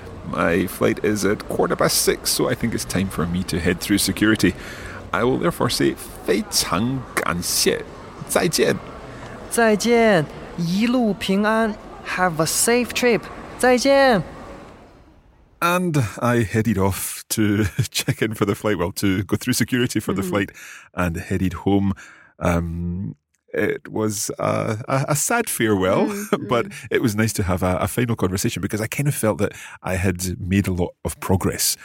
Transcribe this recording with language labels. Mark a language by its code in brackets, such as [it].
[en] My flight is at 6:15, so I think it's time for me to head through security. I will therefore say [zh] 非常感谢，再见。再见，一路平安。 [en] Have a safe trip. [zh] 再见。 [en] And I headed off to check in for the flight, well, to go through security for the flight, and headed home. It was a sad farewell, but it was nice to have a final conversation because I kind of felt that I had made a lot of progress.